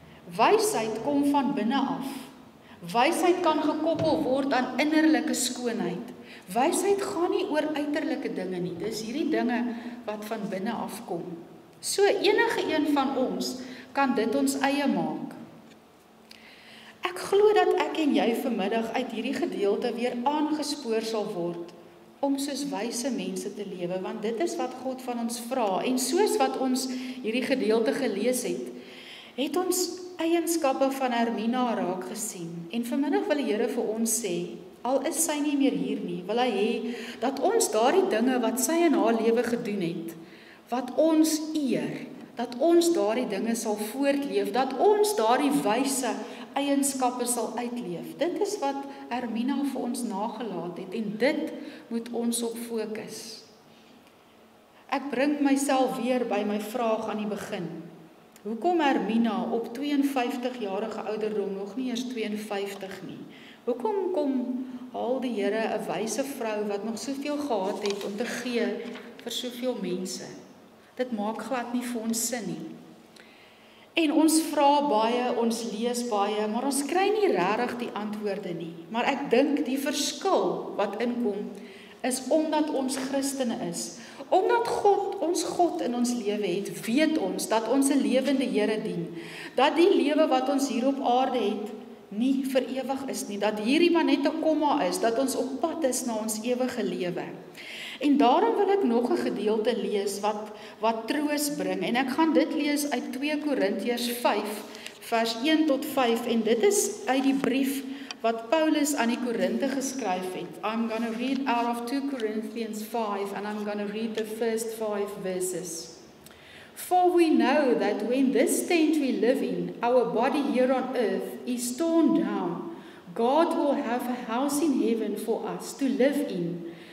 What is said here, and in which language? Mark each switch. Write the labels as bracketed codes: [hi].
[af] Wysheid kom van binne af. Wysheid kan gekoppel word aan innerlike skoonheid. Wysheid gaan nie oor uiterlike dinge nie. Dis hierdie dinge wat van binne af kom. So enige een van ons kan dit ons eie maak. Ek glo dat ek en jy vanmiddag uit hierdie gedeelte weer aangespoor sal word om soos wyse mense te lewe, want dit is wat God van ons vra. En soos wat ons hierdie gedeelte gelees het, het ons eienskappe van Hermina raak gesien. En vanmiddag wil die Here vir ons sê, al is sy nie meer hier nie, wil hy hê dat ons daardie dinge wat sy in haar lewe gedoen het, wat ons eer, dat ons daardie dinge sal voortleef, dat ons daardie wyse eienskappe sal uitleef. Dit is wat Hermina vir ons nagelaat het en dit moet ons op fokus. Ek bring myself weer by my vraag aan die begin. Hoekom Hermina op 52-jarige ouderdom nog nie eers 52 nie? Hoekom kom al die Here 'n wyse vrou wat nog soveel gehad het om te gee vir soveel mense? Dit maak glad nie vir ons sin nie. En ons vra baie, ons lees baie, maar ons kry nie regtig die antwoorde nie. Maar ek dink die verskil wat inkom is omdat ons Christene is. Omdat God, ons God in ons lewe het, weet ons dat ons 'n lewende Here dien. Dat die lewe wat ons hier op aarde het, nie vir ewig is nie. Dat hierdie maar net 'n komma is, dat ons op pad is na ons ewige lewe. En daarom wil ek nog 'n gedeelte lees wat troos bring. En ek gaan dit lees uit 2 Korintiërs 5 vers 1 tot 5. En dit is uit die brief wat Paulus aan die Korinte geskryf het. [en] I'm going to read out of 2 Corinthians 5 and I'm going to read the first 5 verses. For we know that when this tent we live in, our body here on earth is torn down, God will have a house in heaven for us to live in.